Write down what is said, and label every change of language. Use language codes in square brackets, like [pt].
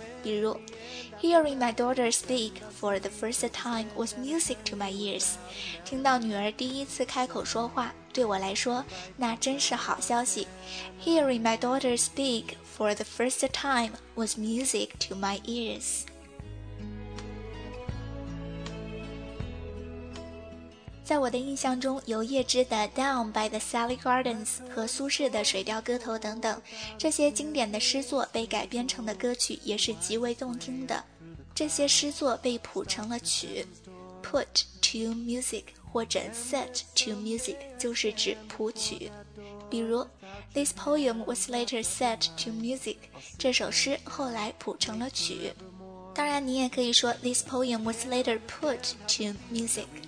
[en] 比如 Hearing my daughter speak for the first time was music to my ears， [zh] 听到女儿第一次开口说话，对我来说那真是好消息。 [en] Hearing my daughter speak for the first time was music to my ears。 [zh] 在我的印象中，由叶芝的 Down by the Sally Gardens 和苏轼的水调歌头等等，这些经典的诗作被改编成的歌曲也是极为动听的。这些诗作被谱成了曲， [en] Put to music [zh] 或者 [en] set to music [zh] 就是指谱曲。 [en] 比如 This poem was later set to music， [zh] 这首诗后来谱成了曲。当然你也可以说 [en] This poem was later put to music。